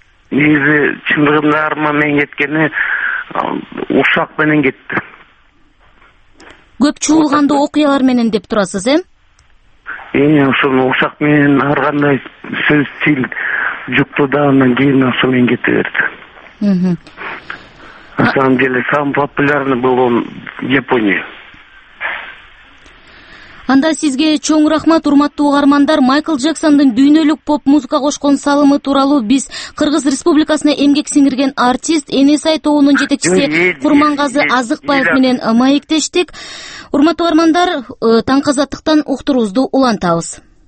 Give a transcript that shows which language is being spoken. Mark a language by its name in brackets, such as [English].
[Kyrgyz] Негизи чындыгында арман менен кеткени ушак менен кетти. Көп чуулганды окуялар менен деп турасыз, э? Ошону ушак менен ар кандай сөз тил жукту да анан кийин ошо менен кете берди. [Russian] На самом деле самый популярный был он в Японии. [Kyrgyz] Анда сизге чоң рахмат, урматтуу угармандар. Майкл Джексондун дүйнөлүк поп музыка кошкон салымы тууралуу биз Кыргыз Республикасына эмгек сиңирген артист Энесай тоонун жетекчиси Курмангазы Азыкбаев менен маектештик. Урматтуу угармандар, таңк азаттыктан уктурубузду улантабыз.